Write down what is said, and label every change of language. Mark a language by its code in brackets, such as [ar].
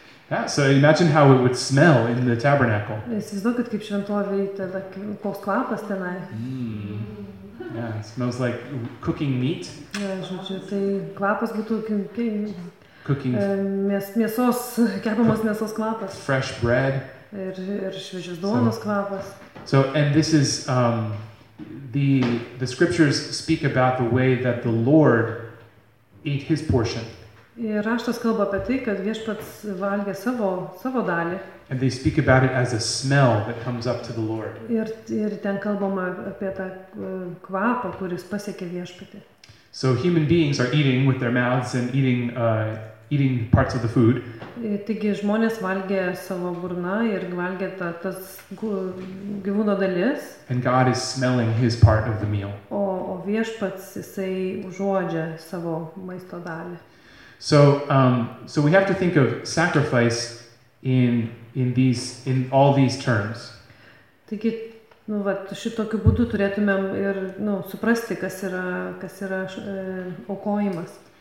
[en] Yeah, so imagine how it would smell in the tabernacle. [lt] Įsivaizduokit, kaip šventovėj tada koks kvapas tenai. [en] Yeah, it smells like cooking meat. [lt] Žodžiu, tai kvapas būtų [en] cooking [lt] mėsos, kepamos mėsos kvapas. [en] Fresh bread. [lt] Ir šviežios duonos kvapas. [en] So and this is the scriptures speak about the way that the Lord ate his portion. [lt] Ir raštas kalba apie tai, kad viešpats valgė savo dalį. [en] And they speak about it as a smell that comes up to the Lord. [lt] Ir ten kalbama apie tą kvapą, kuris pasiekė viešpatį. [en] So human beings are eating with their mouths and eating parts of the food. [lt] Taigi žmonės valgė savo burną ir valgė tas gyvūno dalis. [en] And God is smelling his part of the meal. [lt] O viešpats jisai užuodžia savo maisto dalį. [en] So we have to think of sacrifice in all these terms. [lt] Taigi, nu vat, šitokiu būdu turėtumėm ir, nu, suprasti, kas yra aukojimas.